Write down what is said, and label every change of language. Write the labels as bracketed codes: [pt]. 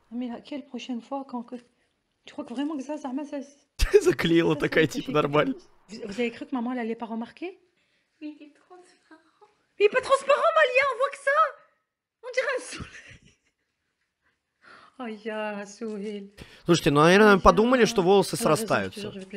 [fr] Mais la quelle prochaine fois? Quand que... Tu crois que vraiment que ça, ça m'a [ru] заклеила такая, типа, нормально. [fr] Vous avez cru que maman allait pas remarquer? Mais il est transparent. Mais il est pas transparent, Malia, on voit que ça! On dirait un soleil. Aïe, un sourire. [ru] Слушайте, ну, наверное, подумали, что волосы срастаются.